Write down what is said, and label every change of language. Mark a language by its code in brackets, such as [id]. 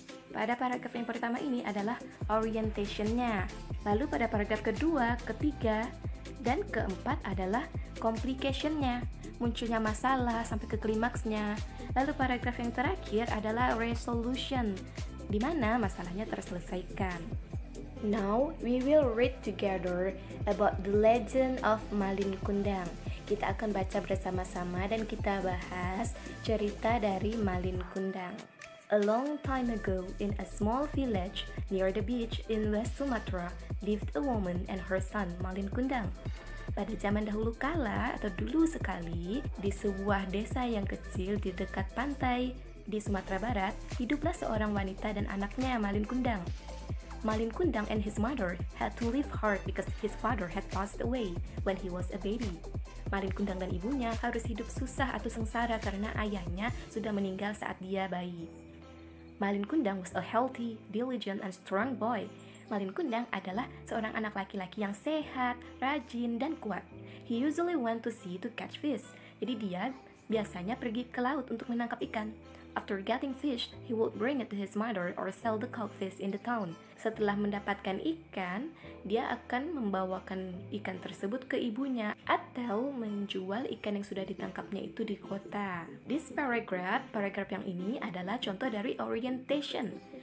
[id] Pada paragraf yang pertama ini adalah orientation-nya. Lalu pada paragraf kedua, ketiga, dan keempat adalah complication-nya, munculnya masalah sampai ke klimaksnya. Lalu paragraf yang terakhir adalah resolution, di mana masalahnya terselesaikan. [en] Now, we will read together about the legend of Malin Kundang. [id] Kita akan baca bersama-sama dan kita bahas cerita dari Malin Kundang. [en] A long time ago, in a small village near the beach in West Sumatra, lived a woman and her son, Malin Kundang. [id] Pada zaman dahulu kala atau dulu sekali, di sebuah desa yang kecil di dekat pantai di Sumatera Barat, hiduplah seorang wanita dan anaknya, Malin Kundang. [en] Malin Kundang and his mother had to live hard because his father had passed away when he was a baby. [id] Malin Kundang dan ibunya harus hidup susah atau sengsara karena ayahnya sudah meninggal saat dia bayi. [en] Malin Kundang was a healthy, diligent, and strong boy. [id] Malin Kundang adalah seorang anak laki-laki yang sehat, rajin, dan kuat. [en] He usually went to sea to catch fish. [id] Jadi dia biasanya pergi ke laut untuk menangkap ikan. [en] After getting fish, he would bring it to his mother or sell the cooked fish in the town. [id] Setelah mendapatkan ikan, dia akan membawakan ikan tersebut ke ibunya atau menjual ikan yang sudah ditangkapnya itu di kota. [en] This paragraph, [id] paragraph yang ini adalah contoh dari orientation.